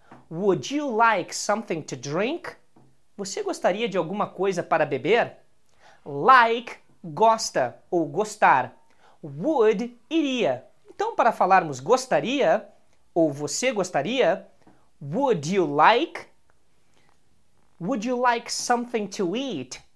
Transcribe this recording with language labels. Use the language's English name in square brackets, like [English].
[English] Would you like something to drink? [Portuguese] Você gostaria de alguma coisa para beber? Like, gosta ou gostar. Would, iria. Então, para falarmos gostaria ou você gostaria, [English] would you like? Would you like something to eat?